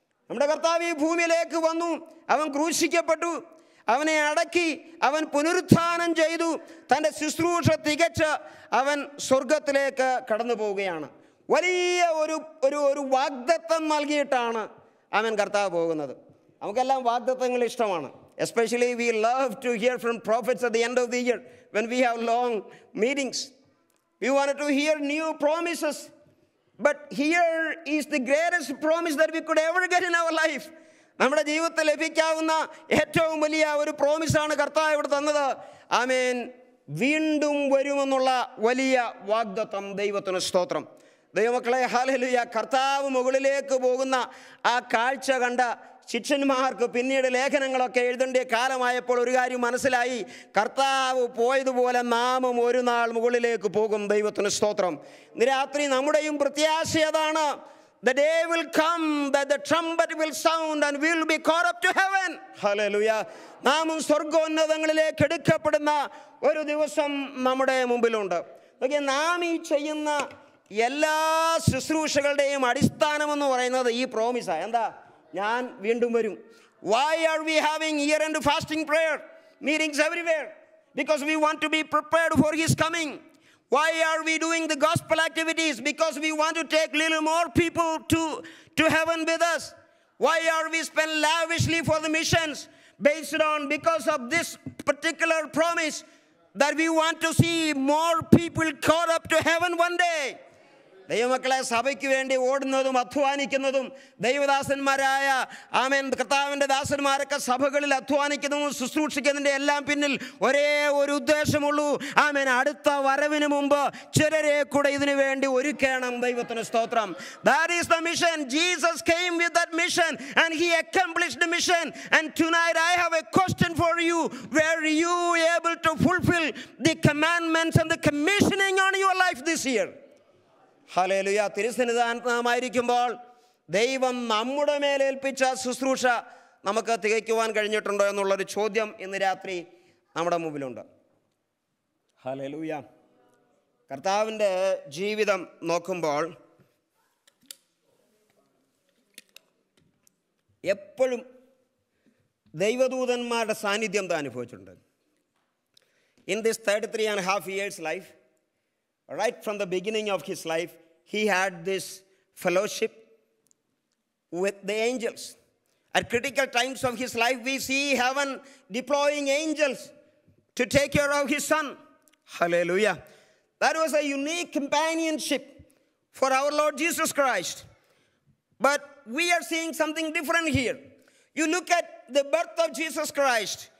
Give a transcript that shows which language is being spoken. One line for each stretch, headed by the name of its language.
Malayalam: നമ്മുടെ കർത്താവ് ഈ ഭൂമിയിലേക്ക് വന്നു, അവൻ ക്രൂശിക്കപ്പെട്ടു, അവനെ അടക്കി, അവൻ പുനരുത്ഥാനം ചെയ്തു, തൻ്റെ ശുശ്രൂഷ തികച്ച് അവൻ സ്വർഗത്തിലേക്ക് കടന്നു പോവുകയാണ്. വലിയ ഒരു ഒരു വാഗ്ദത്തം നൽകിയിട്ടാണ് അവൻ കർത്താവ് പോകുന്നത്. നമുക്കെല്ലാം വാഗ്ദത്തങ്ങൾ ഇഷ്ടമാണ്.
English: Especially we love to hear from prophets at the end of the year when we have long meetings. We want to hear new promises. But here is the greatest promise that we could ever get in our life.
Malayalam: നമ്മുടെ ജീവിതത്തിൽ ലഭിക്കാവുന്ന ഏറ്റവും വലിയ ഒരു പ്രോമിസാണ് കർത്താവ് ഇവിടെ തന്നത്. ആമേൻ. വീണ്ടും വരുമെന്നുള്ള വലിയ വാഗ്ദത്തം. ദൈവത്തിന് സ്തോത്രം. ദൈവമക്കളെ, ഹല്ലേലൂയ. കർത്താവ് മുകളിലേക്ക് പോകുന്ന ആ കാഴ്ച കണ്ട ശിഷ്യന്മാർക്ക് പിന്നീട് ലേഖനങ്ങളൊക്കെ എഴുതേണ്ട കാലമായപ്പോൾ ഒരു കാര്യം മനസ്സിലായി, കർത്താവ് പോയതുപോലെ നാമും ഒരു നാൾ മുകളിലേക്ക് പോകും. ദൈവത്തിന് സ്തോത്രം. ഇന്ന് രാത്രി നമ്മുടെയും പ്രത്യാശ അതാണ്.
English: The day will come that the trumpet will sound and we will be caught up to heaven. Hallelujah.
Malayalam: നാമും സ്വർഗോന്നതങ്ങളിലേക്ക് എടുക്കപ്പെടുന്ന ഒരു ദിവസം നമ്മുടെ മുമ്പിലുണ്ട്. ഓക്കെ, നാം ഈ ചെയ്യുന്ന എല്ലാ ശുശ്രൂഷകളുടെയും അടിസ്ഥാനമെന്ന് പറയുന്നത് ഈ പ്രോമിസാണ്. എന്താ? ഞാൻ വീണ്ടും വരും.
English: Why are we having year end fasting prayer meetings everywhere? Because we want to be prepared for his coming. Why are we doing the gospel activities? Because we want to take little more people to heaven with us. Why are we spend lavishly for the missions? Based on, because of this particular promise that we want to see more people caught up to heaven one day.
Malayalam: ദൈവമക്കളെ, സഭയ്ക്ക് വേണ്ടി ഓടുന്നതും അധ്വാനിക്കുന്നതും ദൈവദാസന്മാരായ, ആമേൻ, കർത്താവിൻ്റെ ദാസന്മാരൊക്കെ സഭകളിൽ അധ്വാനിക്കുന്നതും ശുശ്രൂഷിക്കുന്നതിൻ്റെ എല്ലാം പിന്നിൽ ഒരേ ഒരു ഉദ്ദേശമുള്ളൂ, ആമേൻ, അടുത്ത വരവിന് മുമ്പ് ചിലരെ കൂടെ ഇതിനു വേണ്ടി ഒരുക്കണം. ദൈവത്തിന് സ്തോത്രം.
English: That is the mission. Jesus came with that mission and he accomplished the mission. And tonight I have a question for you. Were you able to fulfill the commandments and the commissioning on your life this year?
Malayalam: Hallelujah. തിരുസന്നിധാനമായിരിക്കുമ്പോൾ ദൈവം നമ്മുടെ മേലേൽപ്പിച്ച ശുശ്രൂഷ നമുക്ക് തികയ്ക്കുവാൻ കഴിഞ്ഞിട്ടുണ്ടോ എന്നുള്ളൊരു ചോദ്യം ഇന്ന് രാത്രി നമ്മുടെ മുമ്പിലുണ്ട്. ഹല്ലേലൂയ. കർത്താവിൻ്റെ ജീവിതം നോക്കുമ്പോൾ എപ്പോഴും ദൈവദൂതന്മാരുടെ സാന്നിധ്യം താൻ അനുഭവിച്ചിട്ടുണ്ട്.
English: In this 33.5 years life, right from the beginning of his life, he had this fellowship with the angels. At critical times of his life, we see heaven deploying angels to take care of his son. Hallelujah. That was a unique companionship for our Lord Jesus Christ. But we are seeing something different here. You look at the birth of Jesus Christ.